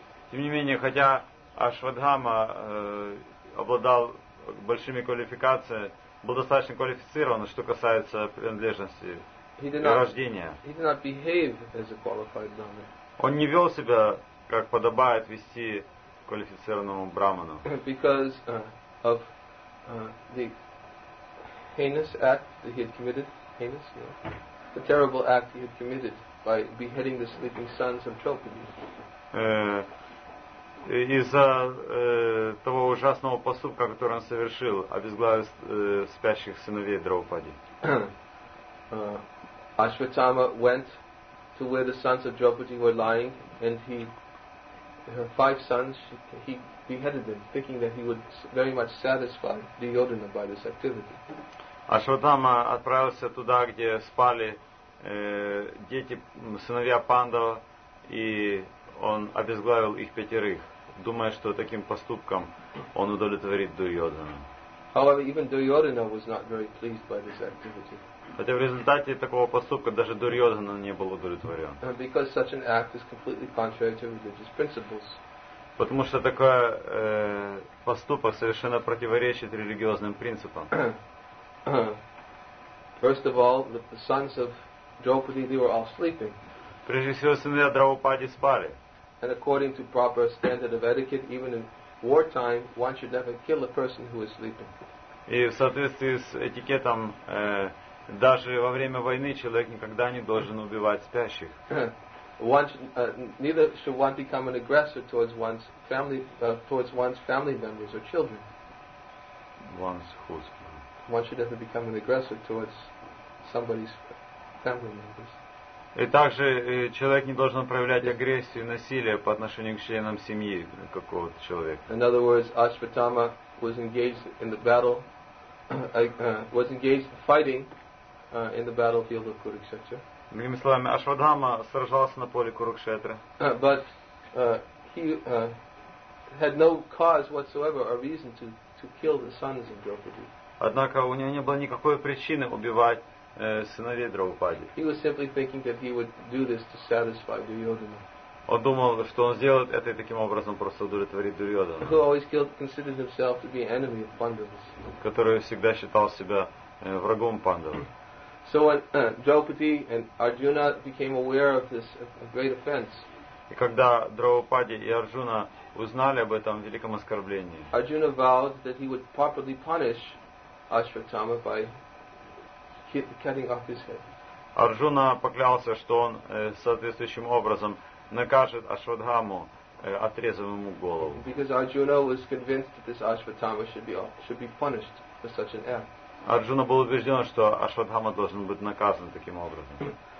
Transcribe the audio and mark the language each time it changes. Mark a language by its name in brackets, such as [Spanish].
[Russian] тем не менее, хотя Ашватхама обладал большими квалификациями, был достаточно квалифицирован, что касается принадлежности и рождения. [English] He did not behave as a qualified Brahmin. [Russian] Он не вел себя, как подобает вести квалифицированному брахману. [English] Because of the heinous act that he had committed, heinous, yeah, the terrible act he had committed by beheading the sleeping sons of Draupadi. [Russian] Из-за того ужасного поступка, который он совершил, обезглавив спящих сыновей Драупади. [English] Ashvatthama went to where the sons of Draupadi were lying, and he, five sons, he beheaded them, thinking that he would very much satisfy Duryodhana by this activity. [Russian] Ашватхама отправился туда, где спали дети, сыновья Пандава, и он обезглавил их пятерых, думая, что таким поступком он удовлетворит Дурьодхану. [English] However, even Duryodhana was not very pleased by this activity. [Russian] Хотя в результате такого поступка даже Дурьодхана не был удовлетворен. [English] Because such an act is completely contrary to religious principles. [Russian] Потому что такой поступок совершенно противоречит религиозным принципам. [English] First of all, the sons of Draupadi, they were all sleeping. [Russian] Прежде всего, сыновья Драупади спали. [English] And according to proper standard of etiquette, even in wartime, one should never kill a person who is sleeping. [Russian] И в соответствии с этикетом, даже во время войны человек никогда не должен убивать спящих. [English] Neither should one become an aggressor towards one's family, towards one's family members or children. One's whose? One should never become an aggressor towards somebody's family members. [Russian] И также человек не должен проявлять агрессию и насилие по отношению к членам семьи какого-то человека. [English] In other words, Ashvatthama was engaged in the battle, was engaged fighting in the battlefield of Kurukshetra. [Russian] Другими словами, Ашватхама сражался на поле Курукшетры. [English] But he had no cause whatsoever or reason to kill the sons of Draupadi. [Russian] Однако у него не было никакой причины убивать сыновей Драупади. [English] He was simply thinking that he would do this to satisfy Duryodhana. [Russian] Он думал, что он сделает это таким образом просто удовлетворить Дурьодхану. [English] Who always considered himself to be an enemy of Pandavas. [Russian] Который всегда считал себя врагом Пандав. [English] So when Draupadi and Arjuna became aware of this great offense. [Russian] И когда Драупади и Арджуна узнали об этом великом оскорблении. [English] Arjuna vowed that he would properly punish Ashvatthama by cutting off his head. [Russian] Арджуна поклялся, что он соответствующим образом накажет Ашватхаму, отрезав ему голову. [English] Because Arjuna was convinced that this Ashvatthama should be punished for such an act. [Russian] Арджуна был убежден, что Ашватхама должен быть наказан таким образом.